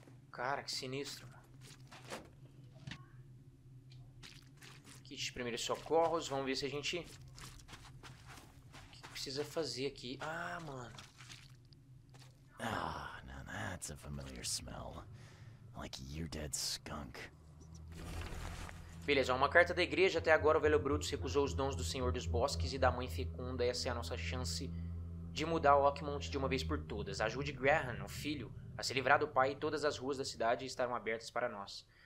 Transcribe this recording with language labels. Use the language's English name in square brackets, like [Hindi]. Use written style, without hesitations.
[Portuguese] Cara, que sinistro. Kit de primeiros socorros. Vamos ver se a gente... O que precisa fazer aqui? Ah, mano. [English] Ah, now that's a familiar smell. Like your dead skunk. [Portuguese] Beleza, uma carta da igreja. Até agora o velho Brutus recusou os dons do Senhor dos Bosques e da Mãe Fecunda. Essa é a nossa chance de mudar o Oakmont de uma vez por todas. Ajude Graham, o filho, a se livrar do pai, e todas as ruas da cidade estarão abertas para nós.